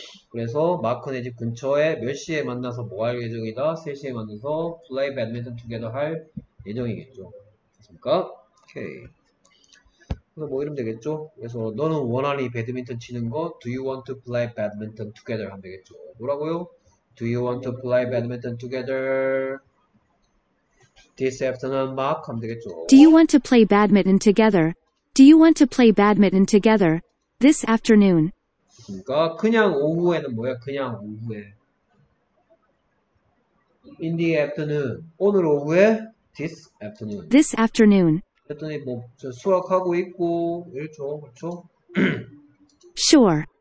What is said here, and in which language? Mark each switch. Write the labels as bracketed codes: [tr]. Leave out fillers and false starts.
[ko] 그래서 마크네 집 근처에 몇 시에 만나서 뭐 할 예정이다? 3시에 만나서 플레이 배드민턴 투게더 할 예정이겠죠. 그렇습니까? 오케이. 그래서 뭐 이러면 되겠죠. 그래서 너는 원하니 배드민턴 치는 거? [en] Do you want to play badminton together? [ko] 하면 되겠죠. 뭐라고요? [en] Do you want to play badminton together this afternoon, Mark? [ko] 하면 되겠죠. [en] Do you want to play badminton together? Do you want to play badminton together this afternoon? [ko] 그러니까 그냥 오후에는 뭐야? 그냥 오후에. [en] In the afternoon. [ko] 오늘 오후에? [en] This afternoon. This afternoon. [ko] 그랬더니 뭐 수락하고 있고 이렇죠, 그렇죠? [en] Sure.